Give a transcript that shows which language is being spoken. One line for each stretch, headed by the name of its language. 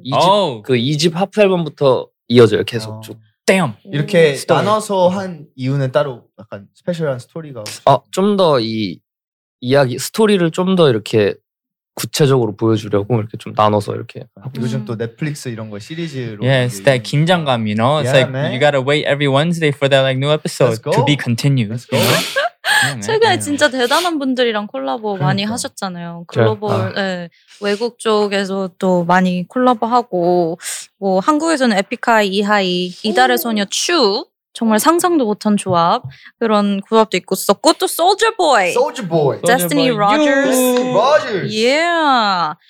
Korean: 2집 하프 앨범부터 이어져요. 계속 오. 쭉. 땜! 이렇게 스토리. 나눠서 한 이유는 따로 약간 스페셜한 스토리가 아, 좀 더 이 이야기, 스토리를 좀 더 이렇게 구체적으로 보여주려고 이렇게 좀 나눠서 이렇게 요즘 또 넷플릭스 이런 거 시리즈로
English: Yes, that 긴장감, you know? It's yeah, like, man. you gotta wait every Wednesday for that like, new episode to be continued. Let's go. yeah,
Korean: 최근에
English: yeah.
Korean: 진짜 대단한 분들이랑 콜라보 그러니까. 많이 하셨잖아요. 글로벌, 아. 네, 외국 쪽에서 또 많이 콜라보하고 뭐 한국에서는 에픽하이, 이하이, 이달의 소녀, 추 정말 상상도 못한 조합 그런 조합도 있고 있었고 또 Soulja Boy, Destiny Rogers, yeah.